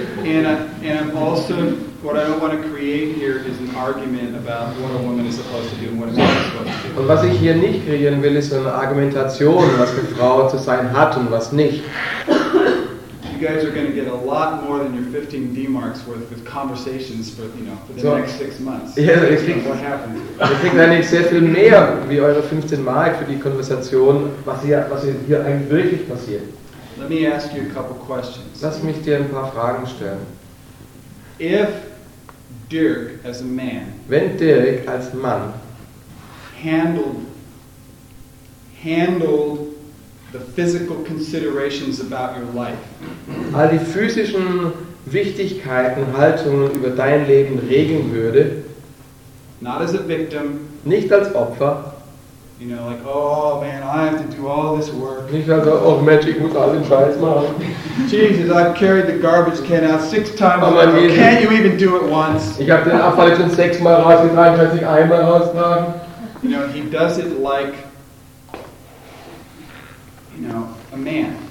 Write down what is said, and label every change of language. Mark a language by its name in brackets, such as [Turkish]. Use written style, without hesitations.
[English] And I'm also, what I don't want to create here is an argument about what a woman is supposed to do and what a man is supposed to do. [German] Und was ich hier nicht kreieren will, ist eine Argumentation, was eine Frau zu sein hat und was nicht. [English] You guys are going to get a lot more than your 15 D-marks worth with conversations for, you know, for the next 6 months. [German] Ja, ich krieg eigentlich sehr viel mehr wie eure 15 Mark für die Konversation, was hier eigentlich wirklich passiert. [English] Let me ask you a couple questions. [German] Lass mich dir ein paar Fragen stellen. [English] If Dirk as a man, [German] wenn Dirk als Mann [English] handled the physical considerations about your life, [German] all die physischen Wichtigkeiten, Haltungen über dein Leben regeln würde, [English] not as a victim, [German] nicht als Opfer, [English] you know, like, oh man, I have to do all this work. [German] Nicht also, oh Mensch, ich muss all den Scheiß machen. [English] Jesus, I've carried the garbage can out 6 times. Oh, Jesus, can't you even do it once? [German] Ich habe den Abfall schon 6 Mal rausgetragen, kann ich einmal raustragen? [English] You know, he does it like, you know, a man.